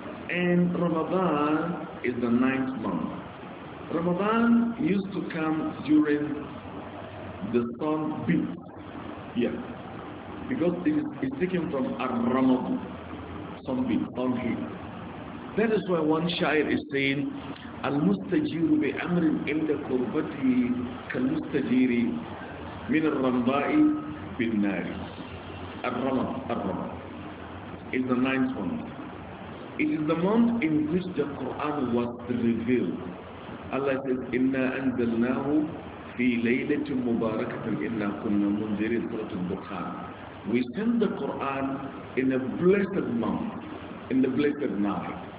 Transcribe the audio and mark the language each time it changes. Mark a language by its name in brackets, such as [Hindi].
[English] And Ramadan is the ninth month. Ramadan used to come during the sun beats. Yeah, because it's taken from Ar-Ramadu, sun beat, sun heat. That is why one shair is saying, [Arabic] المستجير بأمر عند قربته كالمستجير من الرمضاء بالنار. [English] الرمض is the ninth month. It is the month in which the Quran was revealed. Allah says, [Arabic] إنا أنزلناه في ليلة مباركة إنا كنا منذرين سورة الدخان. [English] We send the Quran in a blessed month, in the blessed night.